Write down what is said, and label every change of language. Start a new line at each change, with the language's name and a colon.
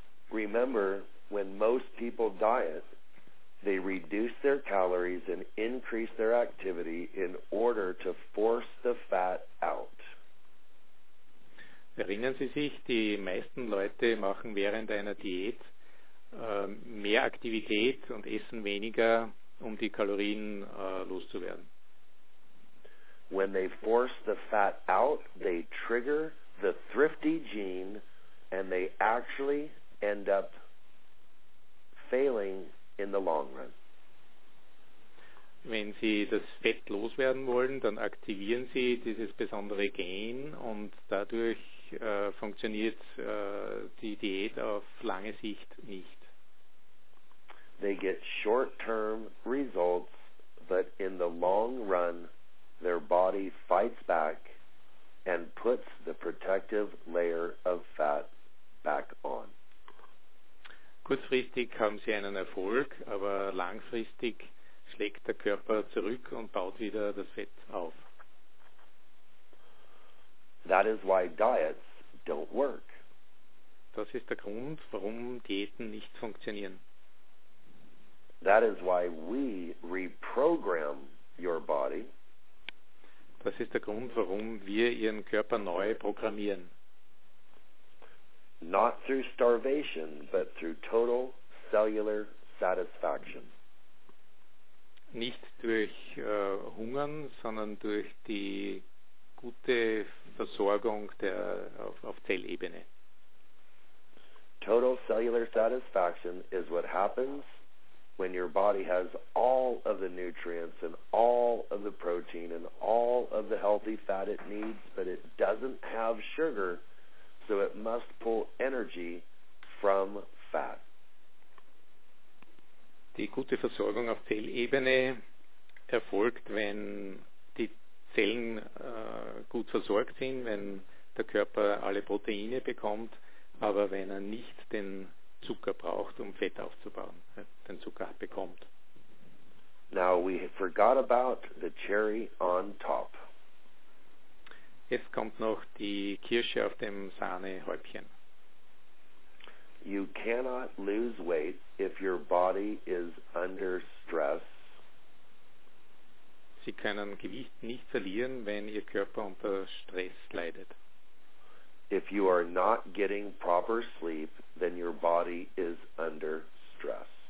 English: Remember, when most people diet, they reduce their calories and increase their activity in order to force the fat out.
German: Erinnern Sie sich, die meisten Leute machen während einer Diät mehr Aktivität und essen weniger, um die Kalorien loszuwerden.
English: When they force the fat out, they trigger the thrifty gene and they actually end up failing in the long run.
German: Wenn Sie das Fett loswerden wollen, dann aktivieren Sie dieses besondere Gen und dadurch funktioniert die Diät auf lange Sicht nicht.
English: They get short-term results, but in the long run, their body fights back and puts the protective layer of fat back on.
German: Kurzfristig haben sie einen Erfolg, aber langfristig schlägt der Körper zurück und baut wieder das Fett auf.
English: That is why diets don't work.
German: Das ist der Grund, warum Diäten nicht funktionieren.
English: That is why we reprogram your body.
German: Das ist der Grund, warum wir ihren Körper neu programmieren.
English: Not through starvation, but through total cellular satisfaction.
German: Nicht durch Hungern, sondern durch die gute Versorgung der auf Zellebene.
English: Total cellular satisfaction is what happens when your body has all of the nutrients and all of the protein and all of the healthy fat it needs, but it doesn't have sugar, so it must pull energy from fat.
German: Die gute Versorgung auf Zellebene erfolgt, wenn die Zellen gut versorgt sind, wenn der Körper alle Proteine bekommt, aber wenn er nicht den Zucker braucht, um Fett aufzubauen, den Zucker bekommt.
English: Now we forgot about the cherry on top.
German: Jetzt kommt noch die Kirsche auf dem Sahnehäubchen.
English: You cannot lose weight if your body is under stress.
German: Sie können Gewicht nicht verlieren, wenn Ihr Körper unter Stress leidet.
English: If you are not getting proper sleep, then your body is under stress.